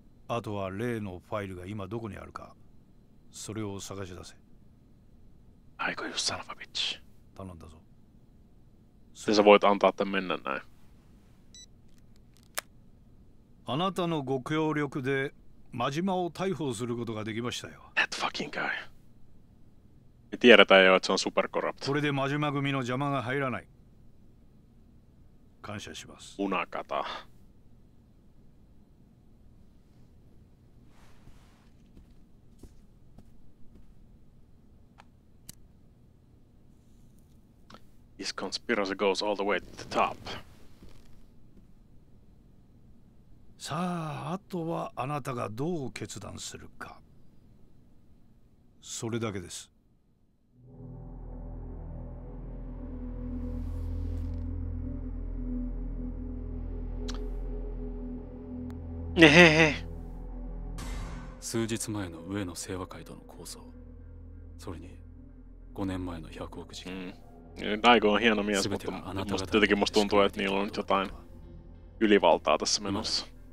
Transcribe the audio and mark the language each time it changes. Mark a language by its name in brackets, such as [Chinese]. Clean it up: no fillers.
[Japanese] あとは例のファイルが今どこにあるか、それを探し出せ。アイコユサナファビッチ。頼んだぞ。 [Finnish] Se sä voit antaa tän mennä näin。 [Japanese] あなたのご協力で真島を逮捕することができましたよ。 [English] That fucking guy。 [Finnish] Me tiedetään jo, että se on super corrupt。 [Japanese] これで真島組の邪魔が入らない。感謝します。うなかた。 [English] This conspiracy goes all the way to the top. [Japanese] さあ、あとはあなたがどう決断するか。それだけです。ねえ。数日前の上野清和会との構想、それに5年前の100億事件。 [Finnish] Daigo on hieno mies, mutta musta jotenkin musta tuntuu, että niillä on nyt jotain ylivaltaa tässä menossa.